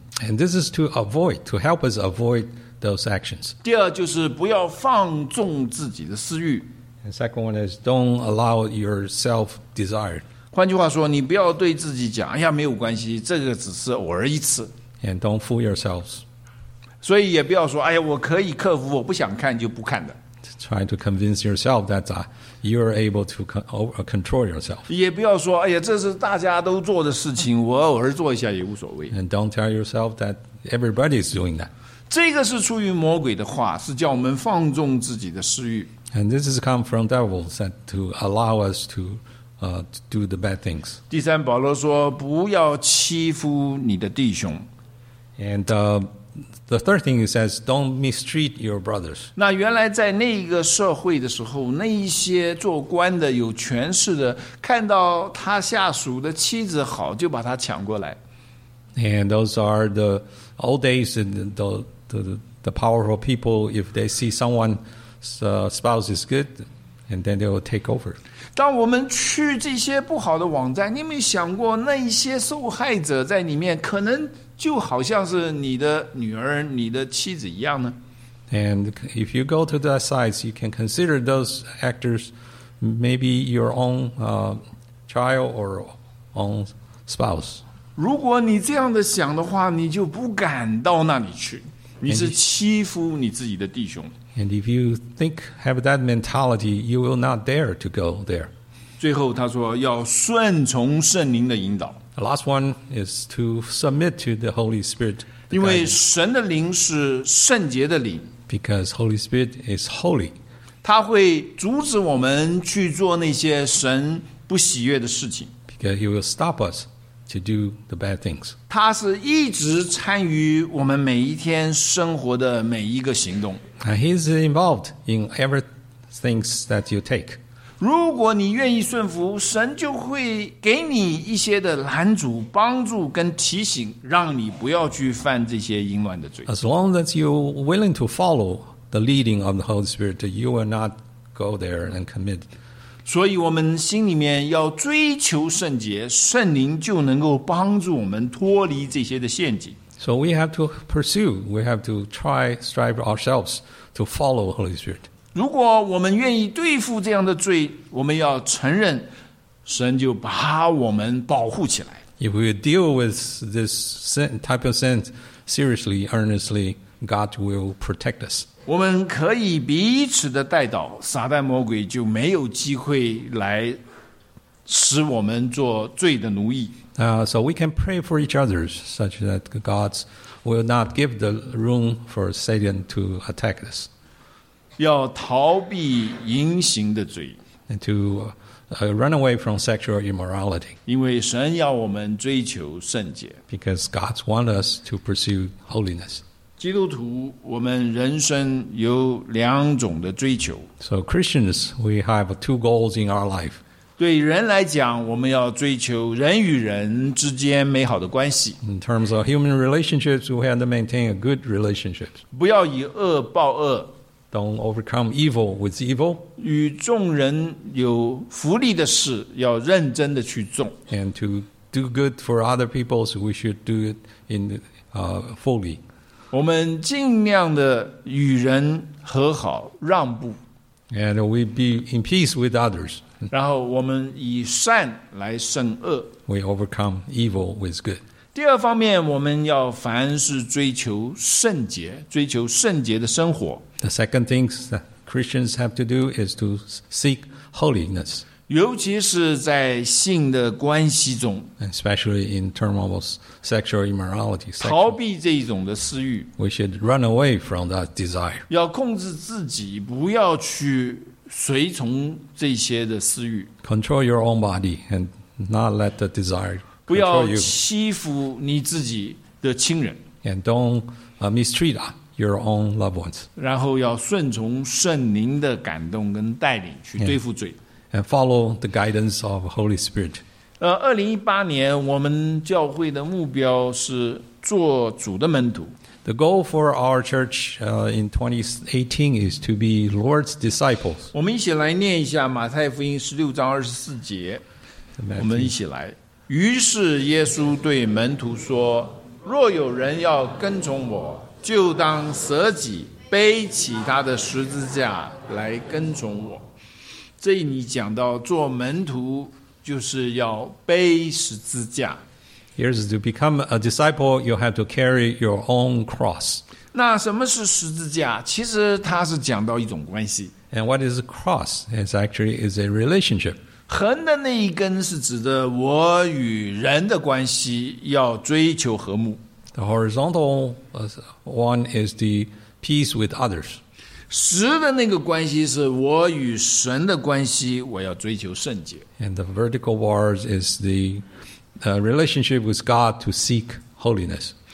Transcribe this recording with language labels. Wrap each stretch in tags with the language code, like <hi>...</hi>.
<en>And this is to avoid, to help us avoid those actions</en> <zh>第二就是不要放纵自己的私欲</zh> <en>And second one is don't allow your self-desire</en> <zh>换句话说，你不要对自己讲：“哎呀，没有关系，这个只是偶尔一次。”</zh> <en>And don't fool yourselves.</en> <zh>所以也不要说，哎呀，我可以克服，我不想看就不看的。</zh> <en>Try to convince yourself that you are able to control yourself.</en> <zh>也不要说，哎呀，这是大家都做的事情，我偶尔做一下也无所谓。</zh> <en>And don't tell yourself that everybody is doing that.</en> <zh>这个是出于魔鬼的话，是叫我们放纵自己的私欲。</zh> <en>And this has come from devils that to allow us to, do the bad things.</en> <zh>第三，保罗说，不要欺负你的弟兄。</zh> <en>And the third thing he says, don't mistreat your brothers.</en> <zh>那原来在那个社会的时候，那一些做官的、有权势的，看到他下属的妻子好，就把他抢过来。</zh> <en>And those are the old days, and the powerful people, if they see someone. So spouse is good, and then they will take over.</en> <zh>当我们去这些不好的网站，你有没有想过那些受害者在里面可能就好像是你的女儿、你的妻子一样呢？</zh> <en>And if you go to that site, you can consider those actors maybe your own child or own spouse.</en> <zh>如果你这样的想的话，你就不敢到那里去，你是欺负你自己的弟兄。</zh> <en>And if you think have that mentality, you will not dare to go there.</en> <zh>最后他说要顺从圣灵的引导。</zh> <en>The last one is to submit to the Holy Spirit.</en> <zh>因为神的灵是圣洁的灵。</zh> <en>Because Holy Spirit is holy.</en> <zh>他会阻止我们去做那些神不喜悦的事情。</zh> <en>Because he will stop us to do the bad things.</en> <zh>他是一直参与我们每一天生活的每一个行动。</zh> <en>And he's involved in everything that you take.</en> <zh>如果你愿意顺服，神就会给你一些的拦阻、帮助跟提醒，让你不要去犯这些淫乱的罪。</zh> <en>As long as you're willing to follow the leading of the Holy Spirit, you will not go there and commit.</en> <zh>所以我们心里面要追求圣洁，圣灵就能够帮助我们脱离这些的陷阱。</zh> <en>So we have to pursue, we have to try, strive ourselves to follow the Holy Spirit.</en> <zh>如果我们愿意对付这样的罪，我们要承认，神就把我们保护起来。</zh> <en>If we deal with this sin, type of sin seriously, earnestly, God will protect us.</en> <zh>我们可以彼此的代祷，撒旦魔鬼就没有机会来使我们做罪的奴役。</zh> <en>So we can pray for each other such that God will not give the room for Satan to attack us.</en> <zh>要逃避淫行的罪。</zh> <en>And to run away from sexual immorality.</en> <zh>因为神要我们追求圣洁。</zh> <en>Because God wants us to pursue holiness.</en> <zh>基督徒，我们人生有两种的追求。</zh> <en>So Christians, we have two goals in our life.</en> <zh>对人来讲，我们要追求人与人之间美好的关系。</zh> <en>In terms of human relationships, we have to maintain a good relationship.</en> <zh>不要以恶报恶。</zh> <en>Don't overcome evil with evil.</en> <zh>与众人有福利的事，要认真的去做。</zh> <en>And to do good for other people, we should do it in fully.</en> <zh>我们尽量的与人和好，让步。</zh> <en>And we be in peace with others.</en> <zh>然后我们以善来胜恶。</zh> <en>We overcome evil with good.</en> <zh>第二方面，我们要凡事追求圣洁，追求圣洁的生活。</zh> <en>The second thing that Christians have to do is to seek holiness.</en> <zh>尤其是在性的关系中。</zh> <en>Especially in terms of sexual immorality.</en> <zh>逃避这种的私欲。</zh> <en>We should run away from that desire.</en> <zh>要控制自己，不要去随从这些的私欲。</zh> <en>Control your own body and not let the desire control you.</en> <zh>不要欺负你自己的亲人。</zh> <en>And don't mistreat your own loved ones.</en> <zh>然后要顺从圣灵的感动跟带领去对付罪。</zh> <en>And follow the guidance of Holy Spirit.</en> <zh>2018年我们教会的目标是做主的门徒。</zh> <en>The goal for our church in 2018 is to be Lord's disciples.</en> <zh>我们一起来念一下马太福音16章24节。我们一起来。于是耶稣对门徒说，若有人要跟从我，就当舍己，背起他的十字架来跟从我。这里讲到做门徒就是要背十字架。</zh> <en>Here's to become a disciple, you have to carry your own cross.</en> <zh>那什么是十字架？其实它是讲到一种关系。</zh> <en>And what is a cross? It's actually is a relationship.</en> <zh>横的那一根是指的我与人的关系，要追求和睦。</zh> <en>The horizontal one is the peace with others.</en> <zh>十的那个关系是我与神的关系，我要追求圣洁。</zh> <en>And the vertical ones is the relationship with God to seek holiness.</en>